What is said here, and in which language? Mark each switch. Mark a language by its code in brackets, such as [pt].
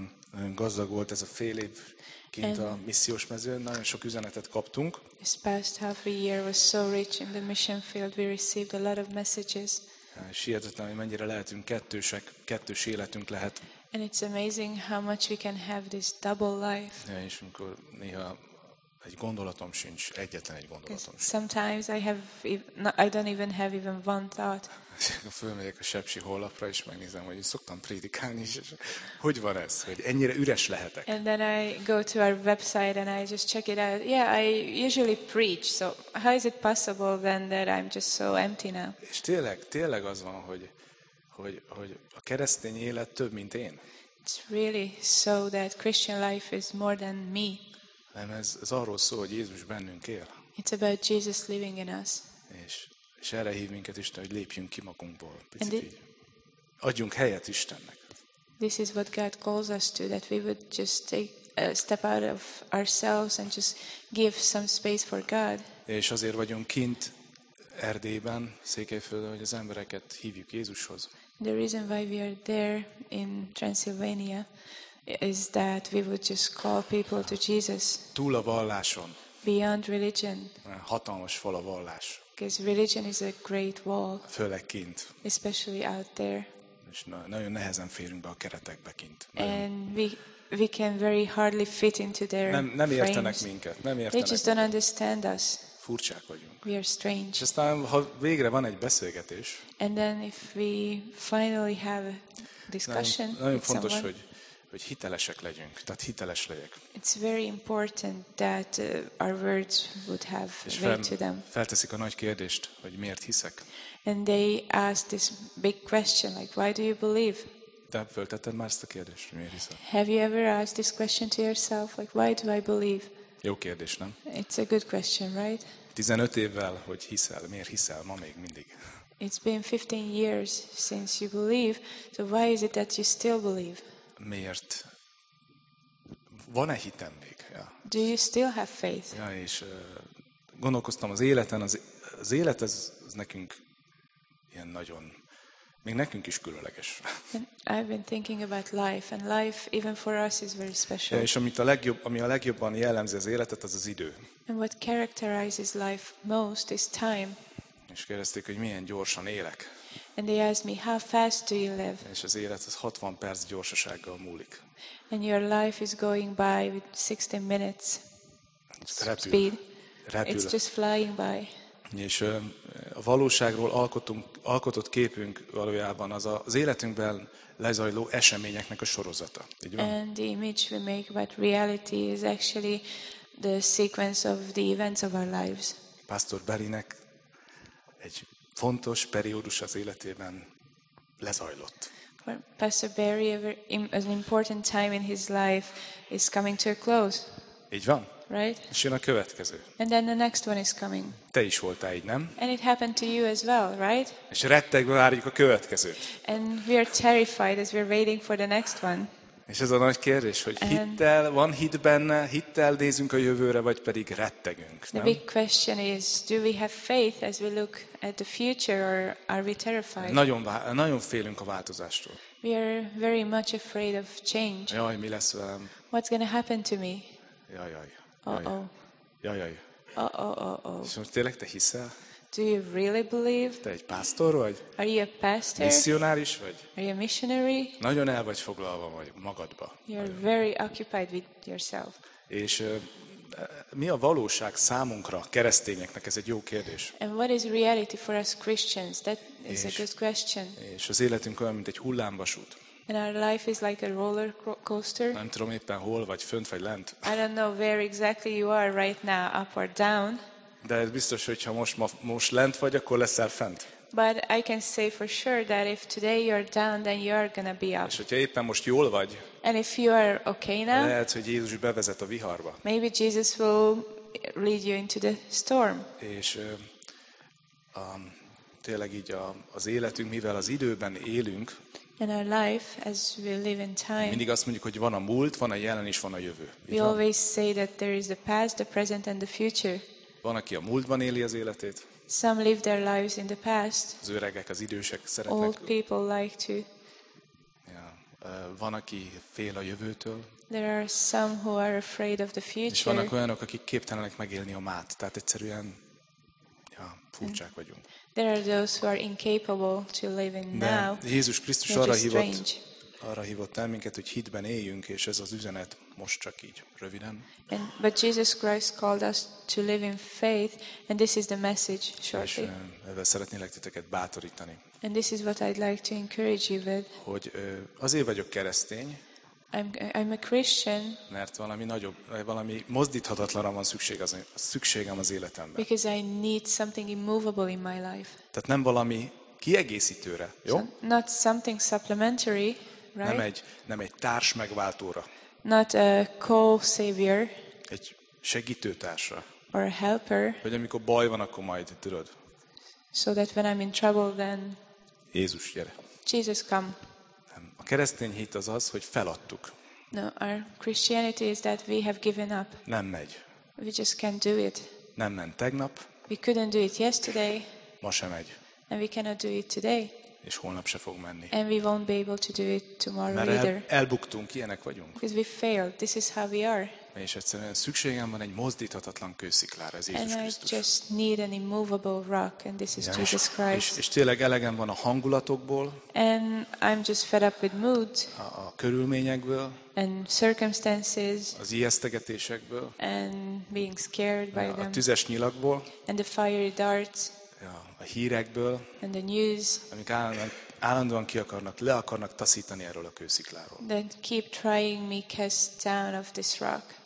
[hu] Nagyon gazdag volt ez a fél év kint a missziós mezőn, nagyon sok üzenetet kaptunk. [en] This past half a year was so rich in the mission field, we received a lot of messages. [hu] És hihetetlen, hogy mennyire lehetünk kettősek, kettős életünk lehet. [en] And it's amazing how much we can have this double life. [hu] Ja, és amikor néha egy gondolatom sincs, egyetlen egy gondolatom sincs. [en] Sometimes I don't even have even one thought. [hu] Fölmegyek a Sepsi honlapra, és megnézem, hogy szoktam prédikálni, és hogy van ez, hogy ennyire üres lehetek. [en] And then I go to our website and I just check it out. Yeah, I usually preach, so how is it possible then that I'm just so empty now? [hu] És tényleg az van, hogy a keresztény élet több, mint én. [en] It's really so that Christian life is more than me. [hu] Nem, ez arról szól, hogy Jézus bennünk él. [en] It's about Jesus living in us. [hu] És erre hív minket Isten, hogy lépjünk ki magunkból. Adjunk helyet Istennek. [en] This is what God calls us to, that we would just take a step out of ourselves and just give some space for God. [hu] És azért vagyunk kint Erdélyben, Székelyföldön, hogy az embereket hívjuk Jézushoz. [en] The reason why we are there in Transylvania is that we would just call people to Jesus. [hu] Túl a valláson. [en] Beyond religion. [hu] Hatalmas fal a vallás. [en] Because religion is a great wall. [hu] Főleg kint. [en] Especially out there. [hu] És nagyon nehezen férünk be a keretekbe kint. [en] And we can very hardly fit into their frames. [hu] Nem értenek minket. Nem értenek. [en] They just don't understand us. [hu] Furcsák vagyunk. [en] We are strange. [hu] És aztán, ha végre van egy beszélgetés. [en] And then if we finally have a discussion. [hu] Nagyon fontos, [en] someone, [hu] hogy hitelesek legyünk. Tehát hiteles legyek. [en] It's very important that our words would have weight to them. [hu] Felteszik a nagy kérdést, hogy miért hiszek. [en] And they ask this big question, like, why do you believe? [hu] Te föltetted már ezt a kérdést, hogy miért hiszek? [en] Have you ever asked this question to yourself, like, why do I believe? [hu] Jó kérdés, nem? [en] It's a good question, right? [hu] 15 évvel, hogy hiszel, miért hiszel ma még mindig? [en] It's been 15 years since you believe, so why is it that you still believe? [hu] Miért? Van-e hitem még? Ja. [en] Do you still have faith? [hu] Ja, és gondolkoztam az életen, az élet az nekünk ilyen nagyon, még nekünk is különleges. [en] I've been thinking about life, and life even for us is very special. [hu] Ja, és ami a legjobban jellemzi az életet, az az idő. [en] And what characterizes life most is time. [hu] És kérdezték, hogy milyen gyorsan élek. [en] And they asked me, how fast do you live? [hu] És az élet az 60 perc gyorsasággal múlik. [en] And your life is going by with 60 minutes speed. [hu] Repül. [en] It's just flying by. [hu] És a valóságról alkotott képünk valójában az életünkben lezajló eseményeknek a sorozata. Így van? [en] And the image we make about reality is actually the sequence of the events of our lives. [hu] Pastor Berinek egy fontos periódus az életében lezajlott. [en] For Pastor Berry, an important time in his life is coming to a close. [hu] Így van. [en] Right? [hu] És jön a következő. [en] And then the next one is coming. [hu] Te is voltál így, nem? [en] And it happened to you as well, right? [hu] És rettegve várjuk a következőt. [en] And we are terrified as we are waiting for the next one. [hu] És ez a nagy kérdés, hogy hittel, van hit benne, hittel nézünk a jövőre, vagy pedig rettegünk, nem? [en] The big question is, do we have faith as we look at the future, or are we terrified? [hu] Nagyon félünk a változástól. [en] We are very much afraid of change. [hu] Jaj, mi lesz velem? [en] What's going to happen to me? [hu] Jaj. Oh-oh. Jaj. Oh-oh. És most tényleg te hiszel? [en] Do you really believe? [hu] Te egy pásztor vagy? [en] Are you a pastor? [hu] Misszionáris vagy? [en] Are you a missionary? [hu] Nagyon el vagy foglalva vagy magadba. [en] You're very occupied with yourself. [hu] És mi a valóság számunkra, keresztényeknek? Ez egy jó kérdés. [en] And what is reality for us Christians? That is a good question. [hu] És az életünk olyan, mint egy hullámvasút. [en] And our life is like a roller coaster. [hu] Nem tudom éppen hol vagy, fönt vagy lent. [en] I don't know where exactly you are right now, up or down. [hu] De ez biztos, hogy ha most lent vagy, akkor leszel fent. [en] But I can say for sure that if today you're down, then you're gonna be up. [hu] És hogyha éppen most jól vagy. [en] And if you are okay now. [hu] Lehet, hogy Jézus bevezet a viharba. [en] Maybe Jesus will lead you into the storm. [hu] És tényleg így az életünk, mivel az időben élünk. [en] In our life, as we live in time. [hu] Mindig azt mondjuk, hogy van a múlt, van a jelen és van a jövő. [en] We always say that there is the past, the present and the future. [hu] Van, aki a múltban éli az életét. [en] Some live their lives in the past. [hu] Az öregek, az idősek szeretnek. [en] Old people like to. [hu] Ja. Van, aki fél a jövőtől. [en] There are some who are afraid of the future. [hu] És vannak olyanok, akik képtelenek megélni a mát. Tehát egyszerűen furcsák vagyunk. [en] There are those who are incapable to live in now. [hu] De Jézus Krisztus arra hívott el minket, hogy hitben éljünk, és ez az üzenet most csak így röviden. [en] But Jesus Christ called us to live in faith, and this is the message shortly. [hu] És ebben szeretnélek titeket bátorítani. [en] And this is what I'd like to encourage you with. [hu] Hogy azért vagyok keresztény. [en] I'm a Christian. [hu] Mert valami nagyobb, valami mozdíthatatlanra van szükségem az életemben. [en] Because I need something immovable in my life. [hu] Tehát nem valami kiegészítőre, jó? [en] So, not something supplementary. Right? [hu] Nem egy társ megváltóra. [en] Not a co-savior. [hu] Egy segítőtársa. [en] Or a helper. [hu] Hogy amikor baj van, akkor majd tudod. [en] So that when I'm in trouble, then. [hu] Jézus, gyere. [en] Jesus, come. [hu] A keresztény hit az az, hogy feladtuk. [en] No, our Christianity is that we have given up. [hu] Nem megy. [en] We just can't do it. [hu] Nem ment tegnap. [en] We couldn't do it yesterday. [hu] Ma sem megy. [en] And we cannot do it today. [hu] És holnap se fog menni. [en] And we won't be able to do it tomorrow [hu] mert [en] either. [hu] Elbuktunk, ilyenek vagyunk. [en] Because we failed. This is how we are. [hu] És egyszerűen szükségem van egy mozdíthatatlan kősziklára, ez Jézus [en] And I just need an immovable rock, and this is Jesus Christ. [hu] És tényleg elegem van a hangulatokból. [en] And I'm just fed up with mood. [hu] A körülményekből. [en] And circumstances. [hu] Az ijesztegetésekből. [en] And being scared by them. [hu] A tüzes nyilakból. [en] And the fiery darts. [hu] A hírekből, [en] and the news, [hu] amik állandóan ki akarnak, le akarnak taszítani erről a kőszikláról. [en] Then keep trying me cast down of this rock.